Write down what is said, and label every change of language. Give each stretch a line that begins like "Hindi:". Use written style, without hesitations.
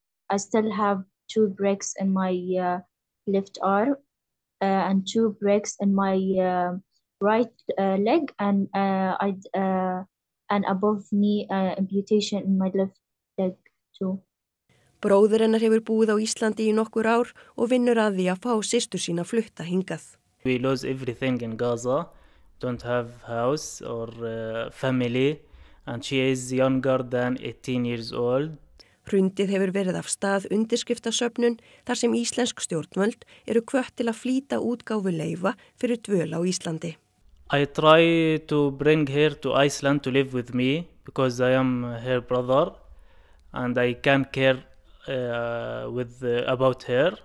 English: I still have two breaks in my left arm and two breaks in my right leg and and above knee amputation in my left leg too.
Icelandic: Bróðir hennar hefur búið á Íslandi í nokkur ár og vinnur að því að fá systur sína flutta hingað.
English: We lose everything in Gaza. Don't have house or family and she is younger than 18 years old.
Icelandic: Hrundið hefur verið af stað undirskriftasöfnun þar sem íslensk stjórnvöld eru kvött til að flýta útgáfu leyfa fyrir dvöl á Íslandi.
English: I try to bring her to Iceland to live with me because I am her brother and I can care about her.